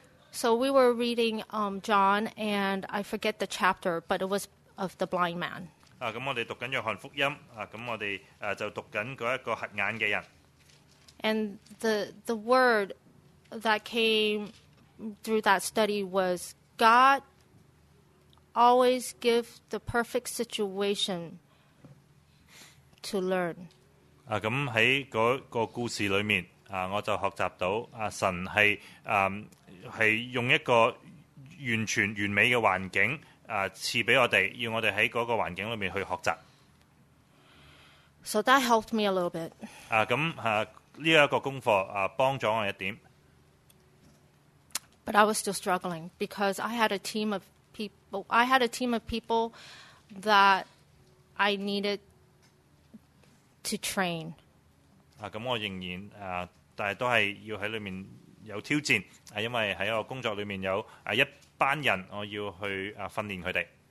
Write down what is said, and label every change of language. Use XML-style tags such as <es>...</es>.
<en>So we were reading John, and I forget the chapter, but it was of the blind man.</en> <yue>咁我哋讀緊約翰福音，咁我哋就讀緊嗰一個瞎眼嘅人。</yue> <en>And the word that came through that study was God always give the perfect situation to learn.</en> <yue>咁喺嗰個故事裏面我就學習到神係用一個完全完美嘅環境賜俾我哋，要我哋喺嗰個環境裏面去學習。</yue> <en>So that helped me a little bit.</en> <yue>咁呢一個功課幫咗我一點。</yue> <en>But I was still struggling because I had a team of people. I had a team of people that I needed to train.</en> <yue>咁我仍然但係都係要喺裏面有挑戰因為喺我工作裏面有一班人，我要去訓練佢哋。</yue>